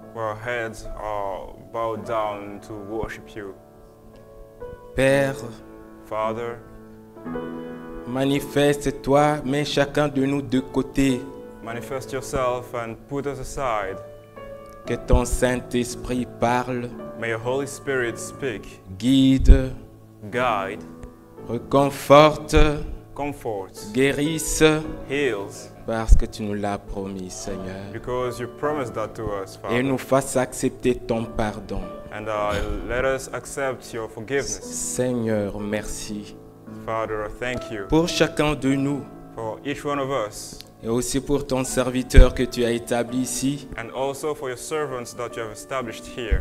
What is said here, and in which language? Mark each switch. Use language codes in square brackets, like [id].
[en] Our heads are bowed down to worship you. [fr] Père, [en] Father, [fr] manifeste-toi, mets chacun de nous de côté. [en] Manifest yourself and put us aside. [fr] Que ton Saint-Esprit parle. [en] May your Holy Spirit speak. [fr] Guide. [en] Guide. [fr] Reconforte, [en] comfort, [fr] guérisse, [en] heals, [fr] parce que tu nous l'as promis, Seigneur. [en] Because you promised that to us, Father. [fr] Et nous fasse accepter ton pardon. [en] And let us accept your forgiveness. [fr] Seigneur, merci. [en] Father, thank you. [fr] Pour chacun de nous. [en] For each one of us. [fr] Et aussi pour ton serviteur que tu as établi ici. [en] And also for your servants that you have established here.